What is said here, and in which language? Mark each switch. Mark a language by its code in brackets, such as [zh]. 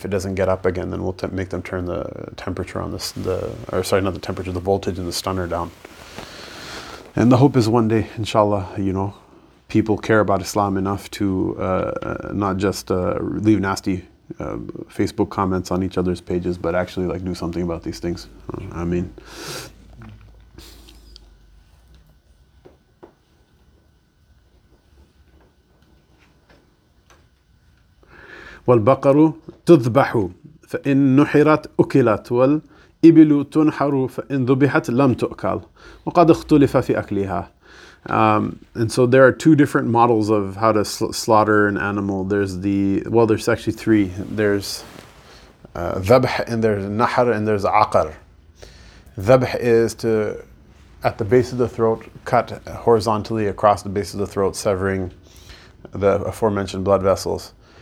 [en] If it doesn't get up again, then we'll make them turn the temperature on the voltage in the stunner down. And the hope is one day, inshallah, people care about Islam enough to not just leave nasty Facebook comments on each other's pages, but actually like do something about these things. [ar] I mean, والبقر تذبح فإن نحرت أكلت والإبل تنحر فإن ذبحت لم تؤكل وقد اختلف في أكلها. [en] And so there are two different models of how to slaughter an animal. There's actually three. There's dhabh, and there's nahar, and there's aqar. Dhabh is to, at the base of the throat, cut horizontally across the base of the throat, severing the aforementioned blood vessels.